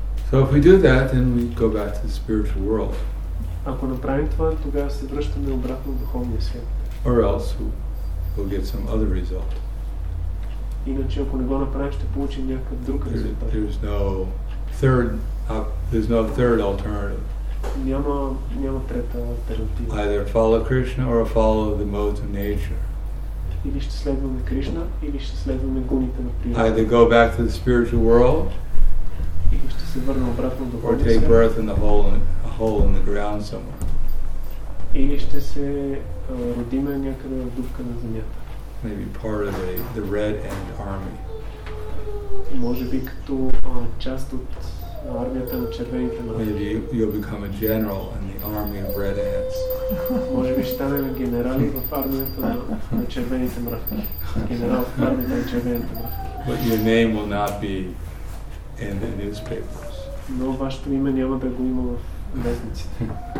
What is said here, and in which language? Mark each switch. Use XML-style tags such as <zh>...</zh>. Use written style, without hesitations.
<en>So if we do that, then we go back to the spiritual world.</en> <bg>Ако направим това, тогава се връщаме обратно в духовния свят.</bg> <en>Or else we'll get some other result.</en> <bg>Иначе ако не го направим, ще получим някакъв друг резултат.</bg> <en>There's no third alternative.</en> <bg>Няма трета алтернатива.</bg> <en>Either follow Krishna or follow the modes of nature.</en> <bg>Или ще следваме Кришна, или ще следваме гуните на природа.</bg> <en>Either go back to the spiritual world.</en> <bg>Или ще се върнем обратно до</bg> <en>Бога. Or take birth in a hole in the ground somewhere.</en> <bg>Или ще се родиме някъде в дупка на земята.</bg> <en>Maybe part of the Red End Army.</en> <bg>Може би като част от армията на червените мрази.</bg> <en>Maybe you'll become a general in the army of red ants.</en> <bg>Може би станем генерали в армията на червените мрази. Генерал в армията на червените мрази.</bg> <en>But your name will not be in the newspapers.</en> <bg>Но вашето име няма да го има в вестниците.</bg>